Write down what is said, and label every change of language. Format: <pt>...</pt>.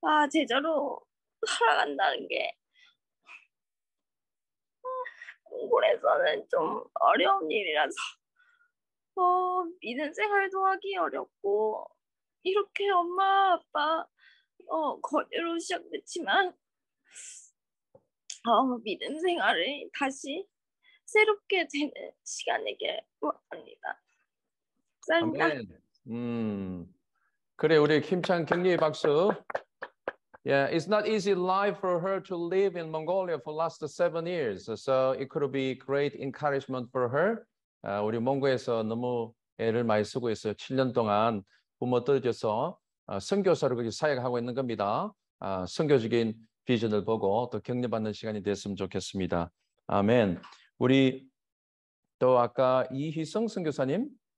<ko>제자로 살아간다는 게 몽골에서는 좀 어려운 일이라서 믿음 생활도 하기 어렵고 이렇게 엄마 아빠 거리로 시작됐지만 믿음 생활을 다시 새롭게 되는 시간이길 원합니다. 감사합니다. 그래 우리 김찬 격려의 박수.</ko> <en>Yeah, it's not easy life for her to live in Mongolia for last 7 years. So it could be great encouragement for her.</en> <ko>우리 몽골에서 너무 애를 많이 쓰고 있어요. 7년 동안 부모 떨어져서 선교사로 그렇게 사역하고 있는 겁니다. 선교적인 비전을 보고 또 격려받는 시간이 됐으면 좋겠습니다. 아멘. 우리 또 아까 이희성 선교사님.</ko>